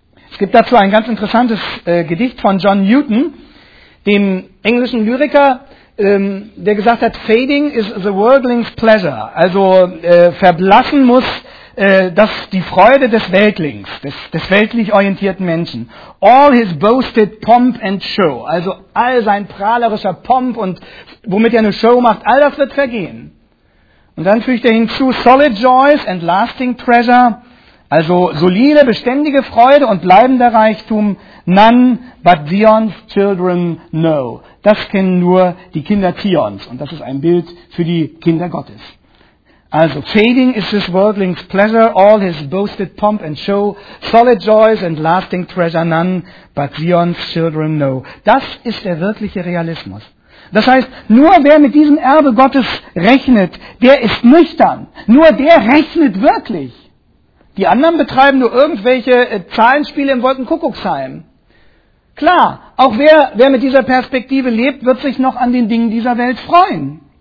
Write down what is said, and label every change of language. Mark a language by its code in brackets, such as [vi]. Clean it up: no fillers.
[de] Es gibt dazu ein ganz interessantes Gedicht von John Newton, dem englischen Lyriker, der gesagt hat, [en] Fading is the worldling's pleasure. [de] Also verblassen muss das die Freude des Weltlings, des weltlich orientierten Menschen. [en] All his boasted pomp and show. [de] Also all sein prahlerischer Pomp und womit er eine Show macht, all das wird vergehen. Und dann fügt er hinzu, [en] solid joys and lasting treasure, [de] also solide, beständige Freude und bleibender Reichtum, [en] none but Zion's children know. [de] Das kennen nur die Kinder Zions. Und das ist ein Bild für die Kinder Gottes. [en] Also, fading is this worldling's pleasure, all his boasted pomp and show, solid joys and lasting treasure, none but Zion's children know. [de] Das ist der wirkliche Realismus. Das heißt, nur wer mit diesem Erbe Gottes rechnet, der ist nüchtern. Nur der rechnet wirklich. Die anderen betreiben nur irgendwelche Zahlenspiele im Wolkenkuckucksheim. Klar, auch wer mit dieser Perspektive lebt, wird sich noch an den Dingen dieser Welt freuen.